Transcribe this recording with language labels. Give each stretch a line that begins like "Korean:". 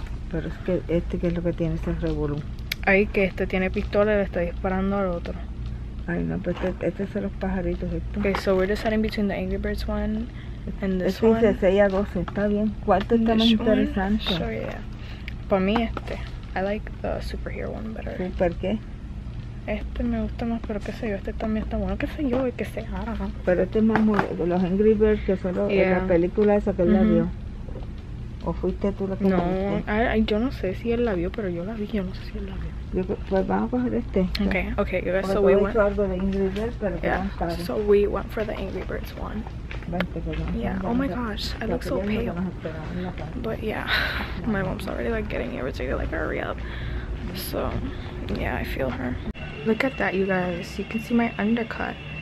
Spanish: Pero es que este, ¿qué es lo que tiene ese revolú? Ay, que este tiene pistola y le está disparando al otro. Ay, no, pero este son los pajaritos, esto.
English: Okay, so we're deciding between the Angry Birds one and this
Spanish: este
English: one.
Spanish: Este dice 6 a 12, está bien. ¿Cuál te está más interesante?
English: Sure, yeah.
Spanish: Para mí este.
English: I like the superhero one better.
Spanish: ¿Super qué? Este me gusta más, pero qué sé yo, este también está bueno, qué sé yo, y que sea. Pero este es más de los Angry Birds, que fue yeah. La película esa que él la vio. ¿O fuiste tú la que no, la viste? No, yo no sé si él la vio, pero yo la vi, yo no sé si él la vio.
English: Okay, you guys, so we went so we went for the Angry Birds one. Yeah, oh my gosh, I look so pale. But yeah, my mom's already like getting irritated, like hurry up. So yeah, I feel her. Look at that, you guys, you can see my undercut.